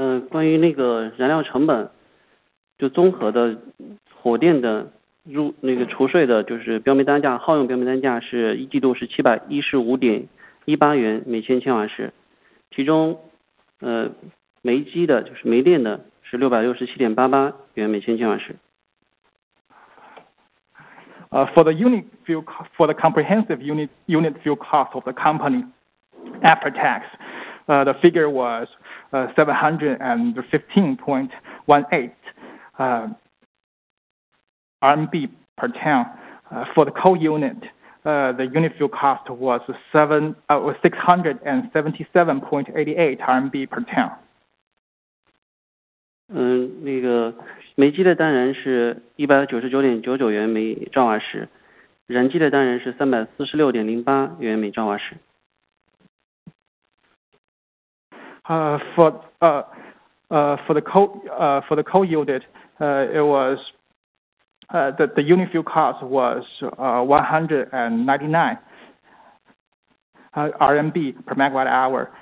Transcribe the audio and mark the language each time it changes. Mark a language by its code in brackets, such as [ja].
[zh] 关于那个燃料成本，就综合的火电的入那个除税的就是标煤单价，耗用标煤单价是一季度是715.18元每千千瓦时，其中煤机的就是煤电的是667.88元每千千瓦时。 [en] For the unit fuel for the comprehensive unit fuel cost of the company after tax, the figure was 715.18. RMB per ton. For the coal unit, the unit fuel cost was 677.88 RMB per ton. [zh] 那个煤机的单燃是199.99元每兆瓦时，燃机的单燃是346.08元每兆瓦时。 [en] For the coal yielded, the unit fuel cost was 199 RMB per megawatt hour.